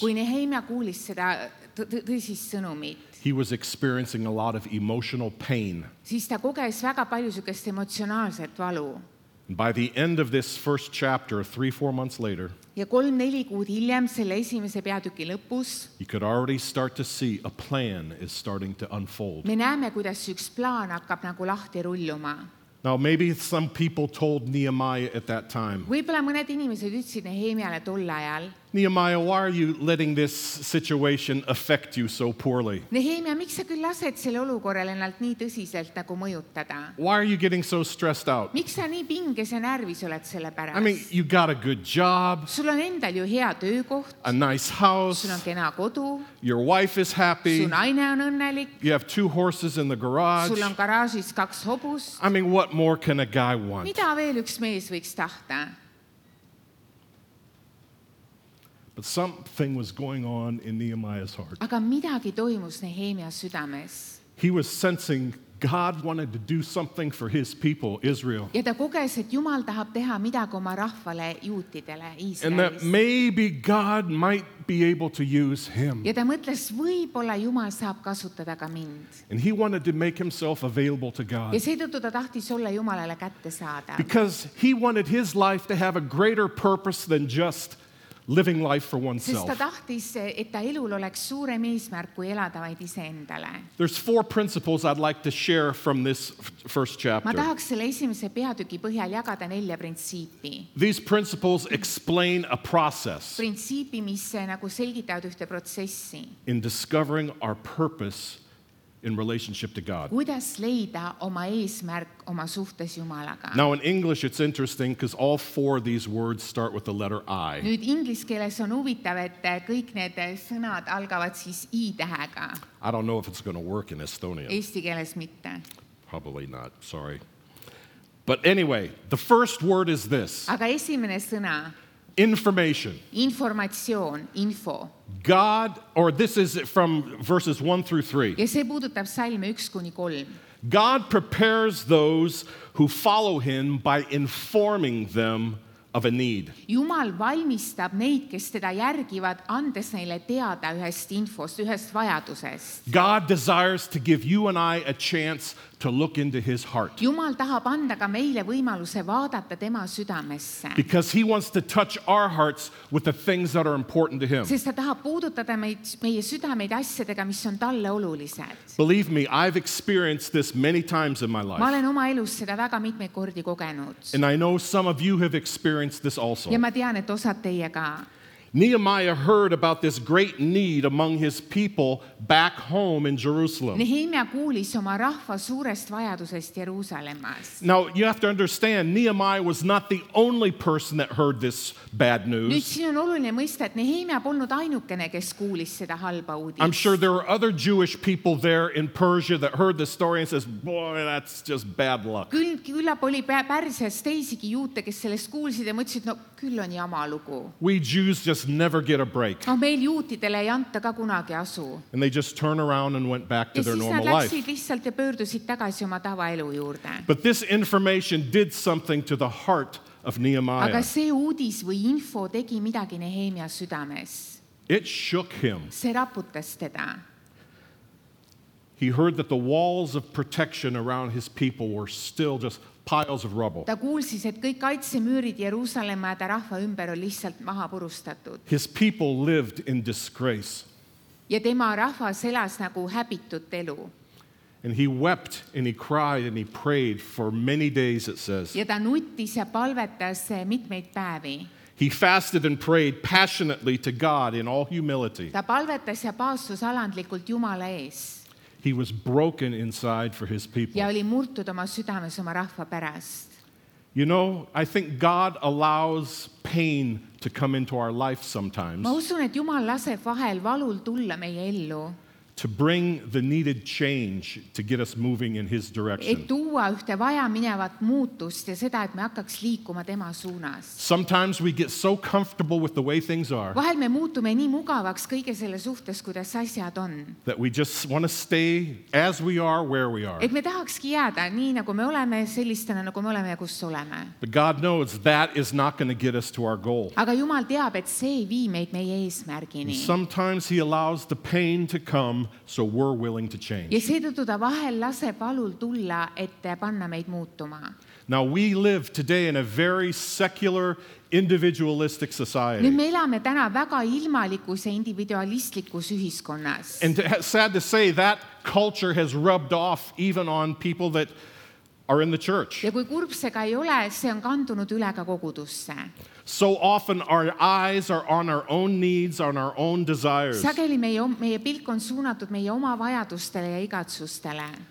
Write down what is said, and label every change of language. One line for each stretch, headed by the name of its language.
Estonian: kui Nehemia kuulis seda tõsis sõnumit,
English: he was experiencing a lot of emotional pain.
Estonian: Siis ta koges väga palju sugest emotsionaalset valu.
English: By the end of this first chapter, 3-4 months later,
Estonian: ja 3-4 kuud hiljem selle esimese peatüki lõpus,
English: you could already start to see a plan is starting to unfold.
Estonian: Me näeme, kuidas üks plaan hakkab nagu lahti rulluma.
English: Now maybe some people told Nehemiah at that time.
Estonian: Võib-olla mõned inimesed ütlesid Nehemiale tol ajal.
English: Nehemiah, why are you letting this situation affect you so poorly?
Estonian: Nehemia, miks sa küll lased selle olukorral ennalt nii tõsiselt nagu mõjutada?
English: Why are you getting so stressed out?
Estonian: Miks sa nii pinges ja närvis oled selle pärast?
English: I mean, you got a good job.
Estonian: Sul on endal ju hea töökoht.
English: A nice house.
Estonian: Sul on kena kodu.
English: Your wife is happy.
Estonian: Su naine on õnnelik.
English: You have 2 horses in the garage.
Estonian: Sul on garaažis 2 hobust.
English: I mean, what more can a guy want?
Estonian: Mida veel üks mees võiks tahta?
English: But something was going on in Nehemiah's heart.
Estonian: Aga midagi toimus Nehemia südames.
English: He was sensing God wanted to do something for his people, Israel.
Estonian: Ja ta koges, et Jumal tahab teha midagi oma rahvale, juutidele, Iisraelis.
English: And that maybe God might be able to use him.
Estonian: Ja ta mõtles, võib-olla Jumal saab kasutada ka mind.
English: And he wanted to make himself available to God.
Estonian: Ja seetõttu ta tahtis olla Jumalale kätte saada.
English: Because he wanted his life to have a greater purpose than just living life for oneself.
Estonian: Sest ta tahtis, et ta elul oleks suurem eesmärk kui elada vaid ise endale.
English: There's 4 principles I'd like to share from this first chapter.
Estonian: Ma tahaks selle esimese peatüki põhjal jagada 4 printsiipi.
English: These principles explain a process.
Estonian: Printsiipi, mis nagu selgitavad ühte protsessi.
English: In discovering our purpose in relationship to God.
Estonian: Kuidas leida oma eesmärk oma suhtes Jumalaga?
English: Now in English it's interesting because all 4 of these words start with the letter I.
Estonian: Nüüd ingliskeeles on huvitav, et kõik need sõnad algavad siis I-tähega.
English: I don't know if it's going to work in Estonian.
Estonian: Eesti keeles mitte.
English: Probably not, sorry. But anyway, the first word is this.
Estonian: Aga esimene sõna.
English: Information.
Estonian: Informatsioon, info.
English: God, or this is from verses 1-3.
Estonian: Ja see puudutab salme 1-3.
English: God prepares those who follow him by informing them of a need.
Estonian: Jumal valmistab neid, kes teda järgivad, andes neile teada ühest infost, ühest vajadusest.
English: God desires to give you and I a chance to look into his heart.
Estonian: Jumal tahab anda ka meile võimaluse vaadata tema südamesse.
English: Because he wants to touch our hearts with the things that are important to him.
Estonian: Sest ta tahab puudutada meie südameid asjadega, mis on talle olulised.
English: Believe me, I've experienced this many times in my life.
Estonian: Ma olen oma elus seda väga mitmeid kordi kogenud.
English: And I know some of you have experienced this also.
Estonian: Ja ma tean, et osad teie ka.
English: Nehemiah heard about this great need among his people back home in Jerusalem.
Estonian: Nehemia kuulis oma rahva suurest vajadusest Jerusalemas.
English: Now, you have to understand, Nehemiah was not the only person that heard this bad news.
Estonian: Nüüd siin on oluline mõista, et Nehemia polnud ainukene, kes kuulis seda halba uudist.
English: I'm sure there were other Jewish people there in Persia that heard the story and says, boy, that's just bad luck.
Estonian: Küllap oli Pärsias teisigi juute, kes sellest kuulsid ja mõtlesid, no küll on jama lugu.
English: We Jews just never get a break.
Estonian: No, meil juutidele ei anta ka kunagi asu.
English: And they just turn around and went back to their normal life.
Estonian: Ja siis nad läksid lihtsalt ja pöördusid tagasi oma tavaelu juurde.
English: But this information did something to the heart of Nehemiah.
Estonian: Aga see uudis või info tegi midagi Nehemia südames.
English: It shook him.
Estonian: See raputas teda.
English: He heard that the walls of protection around his people were still just piles of rubble.
Estonian: Ta kuulsis, et kõik kaitsemüürid Jerusalema ja rahva ümber on lihtsalt maha purustatud.
English: His people lived in disgrace.
Estonian: Ja tema rahvas elas nagu häbitut elu.
English: And he wept and he cried and he prayed for many days, it says.
Estonian: Ja ta nutis ja palvetas mitmeid päevi.
English: He fasted and prayed passionately to God in all humility.
Estonian: Ta palvetas ja paastus alandlikult Jumala ees.
English: He was broken inside for his people.
Estonian: Ja oli murtud oma südames oma rahva pärast.
English: You know, I think God allows pain to come into our life sometimes.
Estonian: Ma usun, et Jumal laseb vahel valul tulla meie ellu.
English: To bring the needed change to get us moving in his direction.
Estonian: Et tuua ühte vajaminevat muutust ja seda, et me hakkaks liikuma tema suunas.
English: Sometimes we get so comfortable with the way things are.
Estonian: Vahel me muutume nii mugavaks kõige selle suhtes, kuidas asjad on.
English: That we just want to stay as we are where we are.
Estonian: Et me tahakski jääda nii nagu me oleme, sellistena nagu me oleme ja kus oleme.
English: But God knows that is not going to get us to our goal.
Estonian: Aga Jumal teab, et see ei vii meid meie eesmärgini.
English: Sometimes he allows the pain to come so we're willing to change.
Estonian: Ja seetõttu ta vahel laseb valul tulla, et panna meid muutuma.
English: Now we live today in a very secular, individualistic society.
Estonian: Nüüd me elame täna väga ilmalikus ja individualistlikus ühiskonnas.
English: And sad to say, that culture has rubbed off even on people that are in the church.
Estonian: Ja kui kurb see ka ei ole, see on kandunud üle ka kogudusse.
English: So often our eyes are on our own needs, on our own desires.
Estonian: Sageli meie pilk on suunatud meie oma vajadustele ja igatsustele.